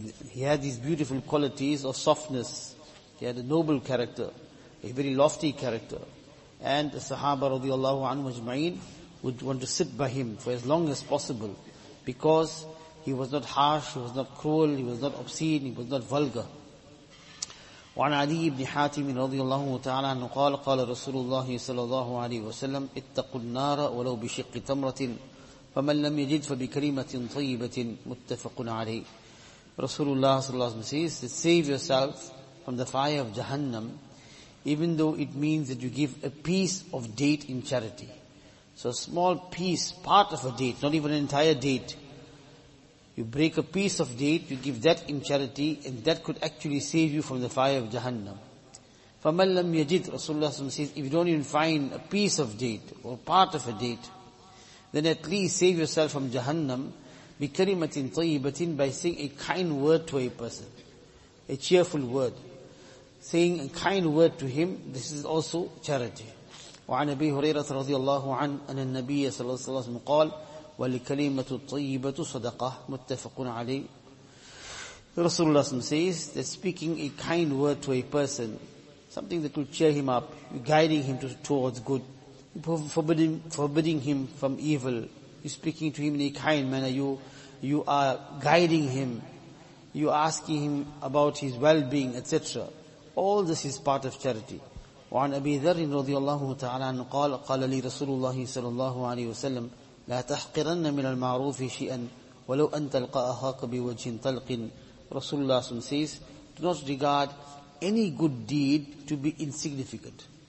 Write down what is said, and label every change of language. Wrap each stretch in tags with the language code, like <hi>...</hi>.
<en>He had these beautiful qualities of softness. He had a noble character, a very lofty character. And the Sahaba radiallahu anhu ajma'in would want to sit by him for as long as possible, because he was not harsh, he was not cruel, he was not obscene, he was not vulgar.</en> <ar>وعن عدي بن حاتم رضي الله تعالى عنه قال قال رسول الله صلى الله عليه وسلم اتقوا النار ولو بشق تمرة فمن لم يجد فبكلمة طيبة متفق عليه.</ar> <en>Rasulullah sallallahu alaihi wasallam says, save yourself from the fire of Jahannam, even though it means that you give a piece of date in charity. So a small piece, part of a date, not even an entire date. You break a piece of date, you give that in charity, and that could actually save you from the fire of Jahannam.</en> <ar>فَمَنْ لَمْ يَجِدْ,</ar> <en>Rasulullah says, if you don't even find a piece of date or part of a date, then at least save yourself from Jahannam</en> <ar>بِكَرِمَةٍ طَيِّبَةٍ,</ar> <en>by saying a kind word to a person, a cheerful word. Saying a kind word to him, this is also charity.</en> <ar>وعن أبي هريرة رضي الله عنه أن النبي صلى الله عليه وسلم قال والكلمة الطيبة صدقة متفق عليه.</ar> <en>رسول الله says that speaking a kind word to a person, something that will cheer him up, guiding him towards good, forbidding him from evil, you speaking to him in a kind manner, you are guiding him, you asking him about his well-being, etc. All this is part of charity.</en> <ar>وعن أبي ذر رضي الله تعالى عنه قال قال لي رسول الله صلى الله عليه وسلم لا تحقرن من المعروف شيئا ولو أن تلقى أخاك بوجه طلق. رسول الله صلى الله عليه وسلم</ar> <en>says, do not regard any good deed to be insignificant.</en>